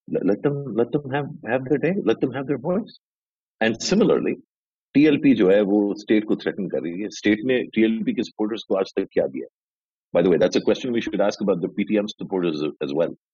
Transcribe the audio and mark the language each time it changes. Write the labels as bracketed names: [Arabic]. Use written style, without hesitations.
[English] Let them have their day, let them have their voice. And similarly, [Hindi] TLP जो है वो state को threaten कर रही है। स्टेट ने TLP के सपोर्टर्स को आज तक क्या दिया? [English] By the way, that's a question we should ask about the PTM supporters as well.